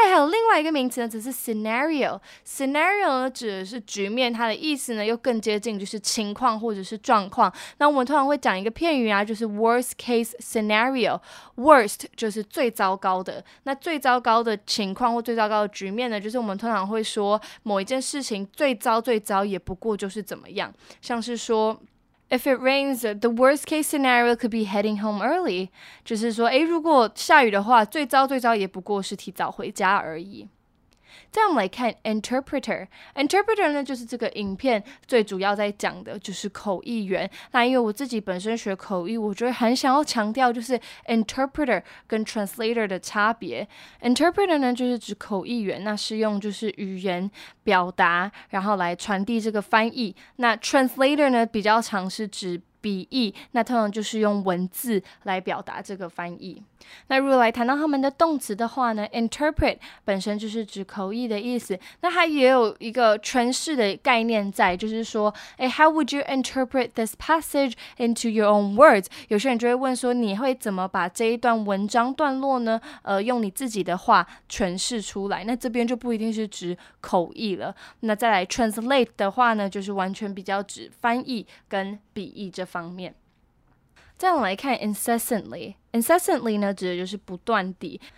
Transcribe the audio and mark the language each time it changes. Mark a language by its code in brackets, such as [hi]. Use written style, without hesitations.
[zh] 就是这个加拿大的美景真的是非常的诱人，可是在我小时候去的时候呢，很可惜的，我并不知道要怎么欣赏这个美景，这个风景，只觉得好像有点无聊。再还有另外一个名词呢，则是 scenario。Scenario呢指的是局面，它的意思呢又更接近就是情况或者是状况。那我们通常会讲一个片语啊，就是 worst case scenario。 Worst就是最糟糕的， 那最糟糕的情况或最糟糕的局面呢， 就是我们通常会说某一件事情最糟最糟也不过就是怎么样。像是说 [en] If it rains, the worst case scenario could be heading home early. [zh] 就是说 如果下雨的话， 最糟最糟也不过是提早回家而已。再我们来看 interpreter。interpreter呢， 就是这个影片最主要在讲的就是口译员。那因为我自己本身学口译， 我觉得很想要强调就是 interpreter跟 translator的差别。 interpreter呢， 就是指口译员， 那是用就是语言表达， 然后来传递这个翻译。那 translator呢， 比较常是指 笔译， 那通常就是用文字来表达这个翻译。那如果来谈到他们的动词的话呢， interpret 本身就是指口译的意思。那它也有一个诠释的概念在， 就是说 [en] How would you interpret this passage into your own words? [zh] 有些人就会问说， 你会怎么把这一段文章段落呢， 用你自己的话诠释出来。那这边就不一定是指口译了。那再来 translate的话呢， 就是完全比较指翻译跟笔译这方面。再来看 incessantly。Incessantly呢， 指的就是不断地。